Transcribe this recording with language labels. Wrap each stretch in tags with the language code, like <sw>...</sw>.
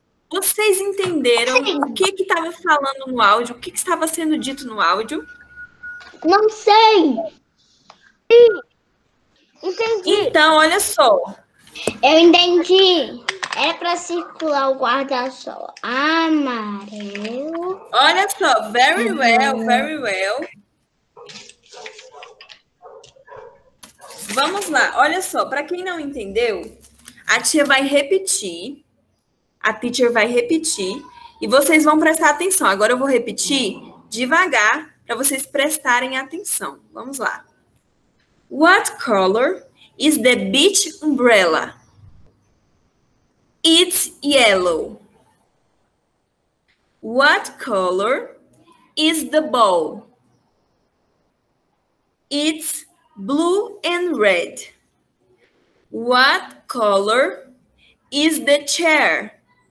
<pt>Vocês entenderam o que estava falando no áudio? O que estava sendo dito no áudio? Não sei. Sim. Entendi. Então, olha só. Eu entendi. Era para circular o guarda-sol amarelo. Olha só,</pt> <en>very well, very well.</en> <pt>Vamos lá, olha só, para quem não entendeu, a tia vai repetir, a teacher vai repetir e vocês vão prestar atenção. Agora eu vou repetir devagar para vocês prestarem atenção. Vamos lá.</pt> <en>What color is the beach umbrella? It's yellow. What color is the ball? It's blue and red. What color is the chair?</en>